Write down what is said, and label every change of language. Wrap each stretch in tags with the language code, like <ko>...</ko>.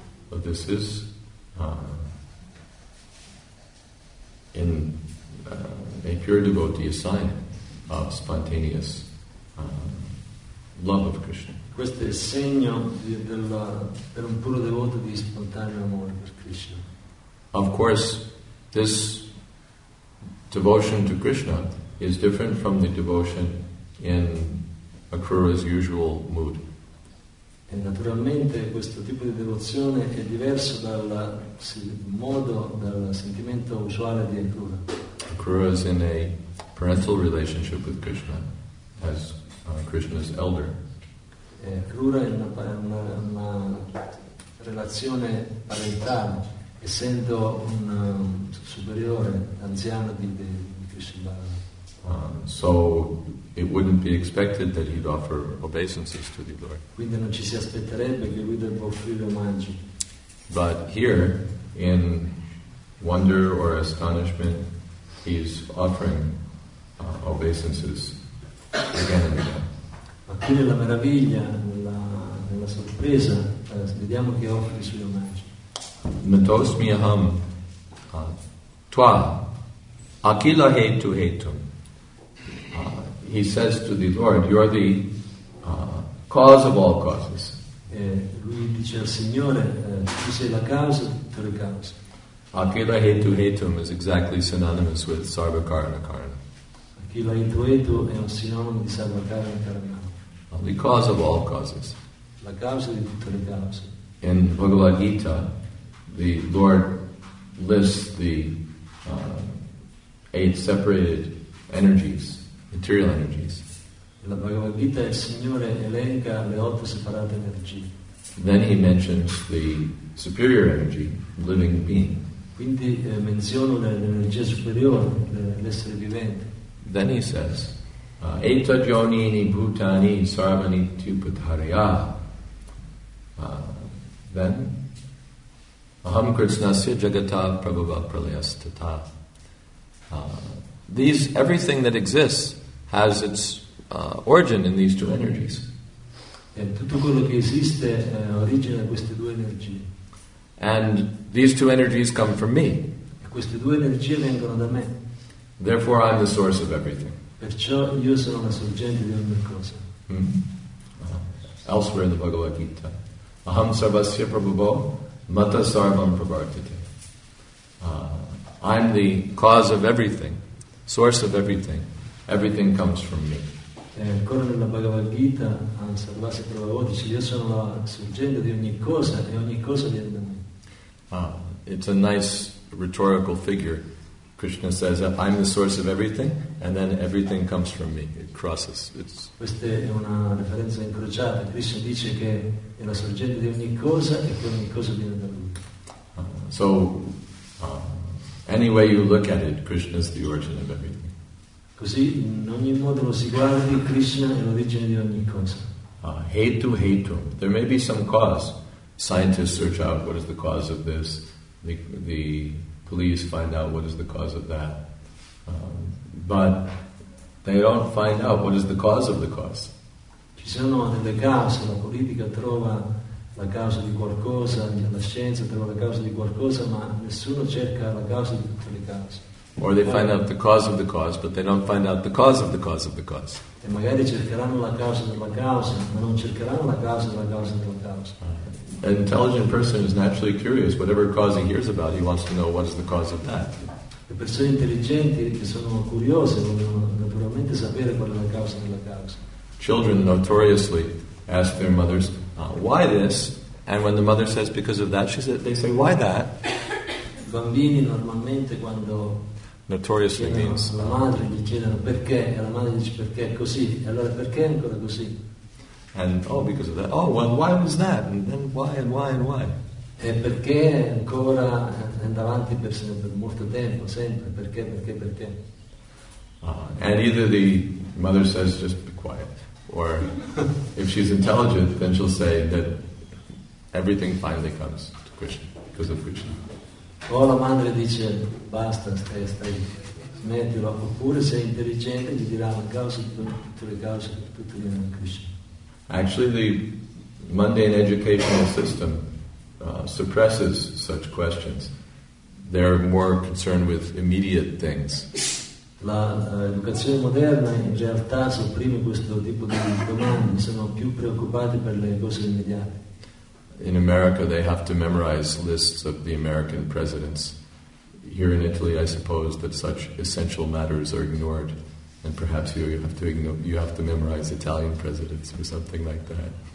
<en>But this is in a pure devotee, a sign of spontaneous love of Krishna.</en> <it>Questo è il segno per un puro devoto di spontaneo amore per Krishna.</it> <en>Of course, this devotion to Krishna is different from the devotion in Akrura's usual mood.</en> <it>E naturalmente questo tipo di devozione è diverso dal modo, dal sentimento usuale di Akrura.</it> <en>Akrura is in a parental relationship with Krishna as Krishna's elder.</en> <it>Krura è una relazione parentale, essendo un superiore, anziano di Krishna Balarama.</it> <en>So it wouldn't be expected that he'd offer obeisances to the Lord.</en> <it>Quindi non ci si aspetterebbe che lui debba offrire omaggi.</it> <en>But here, in wonder or astonishment, he's offering obeisances again and again.</en> <it>Ma qui nella meraviglia, nella sorpresa, vediamo che offre I suoi omaggi.</it> <sa>Matosmi aham tva akila hetu hetum.</sa> <en>He says to the Lord, you are the cause of all causes.</en> <it>Lui dice al Signore, tu sei la causa di tutte le cause.</it> <sa>Akila hetu hetum</sa> <en>is exactly synonymous with sarvakarana karana.</en> <sa>Akila hetu hetu</sa> <it>è un sinonimo di sarvakarana karana.</it> <en>The cause of all causes.</en> <it>La causa di tutte le cause.</it> <en>In Bhagavad Gita, the Lord lists the eight separated energies, material energies.</en> <it>La Bhagavad Gita, il Signore elenca le otto separate energie.</it> <en>Then he mentions the superior energy, living being.</en> <it>Quindi menziona l'energia superiore, l'essere vivente.</it> <en>Then he says,</en> <sa>Eta Joni ni Bhutani Sarvani Tuputharya.</sa> <en>Then</en> <sa>Aham Krishnasya Jagata Prabhupada Pralayastata.</sa> <en>These everything that exists has its origin in these two energies.</en> <it>Tutto quello che esiste origina queste due energie.</it> <en>And these two energies come from me.</en> <it>Queste due energie vengono da me.</it> <en>Therefore I'm the source of everything.</en> <it>Perciò io sono la sorgente di ogni cosa.</it> <en>Elsewhere in the</en> <sa>Bhagavad Gita, Aham Sarvasya Prabhubo Mata Sarvam Prabhartite.</sa> <en>I'm the cause of everything, source of everything. Everything comes from me.</en> <it>Ancora nella Bhagavad Gita,</it> <sa>Aham Sarvasya Prabhubo</sa> <it>dice, io sono la sorgente di ogni cosa e ogni cosa viene da me.</it> <en>It's a nice rhetorical figure. Krishna says, I'm the source of everything, and then everything comes from me. It crosses.</en> <it>Questa è una referenza incrociata. Krishna dice che è la sorgente di ogni cosa e che ogni cosa viene da lui.</it> <en>So, any way you look at it, Krishna is the origin of everything.</en> <it>Così, in ogni modo lo si guardi, Krishna è l'origine di ogni cosa.</it> <sa>Hetu, hetu.</sa> <en>There may be some cause. Scientists search out what is the cause of this. The police find out what is the cause of that. But they don't find out what is the cause of the cause.</en> <it>Ci sono delle cause, la politica trova la causa di qualcosa, la scienza trova la causa di qualcosa, ma nessuno cerca la causa di tutte le cause.</it> <en>Or they find out the cause of the cause, but they don't find out the cause of the cause of the cause.</en> <it>E magari cercheranno la causa della causa, ma non cercheranno la causa della causa della causa.</it> <en>An intelligent person is naturally curious. Whatever cause he hears about, he wants to know what is the cause of that.</en> <it>Le persone intelligenti che sono curiose vogliono naturalmente sapere qual è la causa della causa.</it> <en>Children notoriously ask their mothers, why this? And when the mother says because of that, they say, why that?</en> <it>Bambini normalmente quando</it> <en>notoriously means</en> <it>la madre gli chiedono perché, e la madre dice perché è così, e allora perché è ancora così?</it> <en>And oh, because of that. Oh, well, why was that? And then why and why and why?</en> <it>E perché ancora andavanti per sempre, molto tempo, sempre, perché, perché, perché?</it> <en>And either the mother says, just be quiet. Or if she's intelligent, then she'll say that everything finally comes to Krishna, because of Krishna.</en> <it>O la madre dice, basta, stai, stai, smettilo. Oppure se è intelligente, gli dirà la causa di tutte le cause, tutte le cause di Krishna.</it> <en>Actually, the mundane educational system suppresses such questions. They're more concerned with immediate things.</en> <it>La educazione moderna in realtà sopprime questo tipo di domande. Sono più preoccupati per le cose immediate.</it> <en>In America, they have to memorize lists of the American presidents. Here in Italy, I suppose that such essential matters are ignored. And perhaps you have to memorize Italian presidents or something like that.</en>